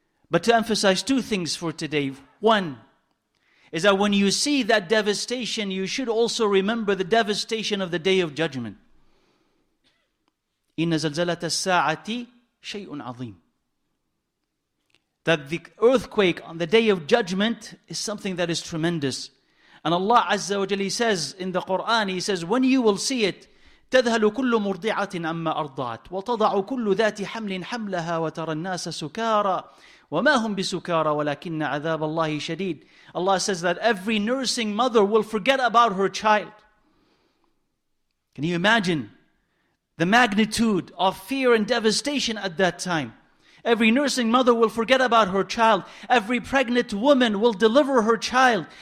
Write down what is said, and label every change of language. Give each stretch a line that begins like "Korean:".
English: But to emphasize two things for today. One is that when you see that devastation, you should also remember the devastation of the Day of Judgment.
Arabic: إِنَّ زَلْزَلَةَ السَّاعَةِ شَيْءٌ عَظِيمٌ.
English: That the earthquake on the Day of Judgment is something that is tremendous. And Allah Azza wa Jalla says in the Quran, He says, when you will see it,
Arabic: تَذْهَلُ كُلُّ مُرْضِعَةٍ أَمَّا أَرْضَعَتْ وَتَضَعُ كُلُّ ذَاتِ حَمْلٍ حَمْلَهَا وَتَرَى النَّاسَ سُكَارًا وَمَا هُمْ بِسُكَارًا وَلَكِنَّ عَذَابَ اللَّهِ شَدِيدٌ.
English: Allah says that every nursing mother will forget about her child. Can you imagine the magnitude of fear and devastation at that time? Every nursing mother will forget about her child. Every pregnant woman will deliver her child.